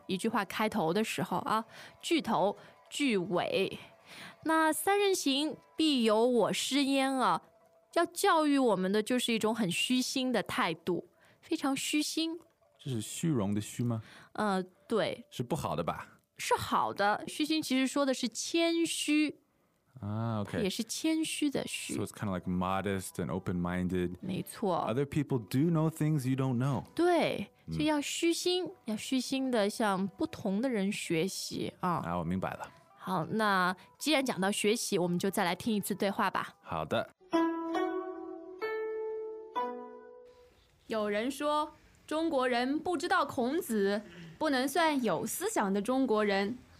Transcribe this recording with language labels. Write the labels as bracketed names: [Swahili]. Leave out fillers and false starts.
[Chinese] 一句话开头的时候啊，句头。句尾，那三人行必有我师焉啊，要教育我们的就是一种很虚心的态度，非常虚心。这是虚荣的虚吗？对，是不好的吧？是好的，虚心其实说的是谦虚。 okay. 也是谦虚的虚。 [English] So it's kind of like modest and open-minded. [Chinese] 没错。 [English] Other people do know things you don't know. [Chinese] 对, 所以要虚心, 要虚心地向不同的人学习, 啊, 我明白了。好, 那既然讲到学习, 我们就再来听一次对话吧。好的。有人说, 中国人不知道孔子, 不能算有思想的中国人。